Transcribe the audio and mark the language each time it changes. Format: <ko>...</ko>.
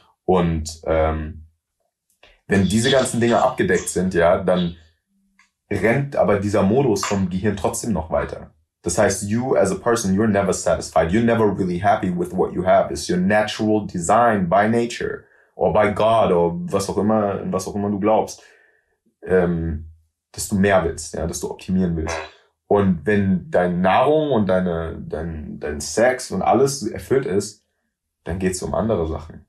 <de>Und wenn diese ganzen Dinge abgedeckt sind, ja, dann rennt aber dieser Modus vom Gehirn trotzdem noch weiter. Das heißt,</de> <en>you as a person, you're never satisfied. You're never really happy with what you have. It's your natural design by nature or by God or</en> <de>was auch immer du glaubst, dass du mehr willst, ja, dass du optimieren willst. Und wenn deine Nahrung und dein Sex und alles erfüllt ist, dann geht's um andere Sachen.</de>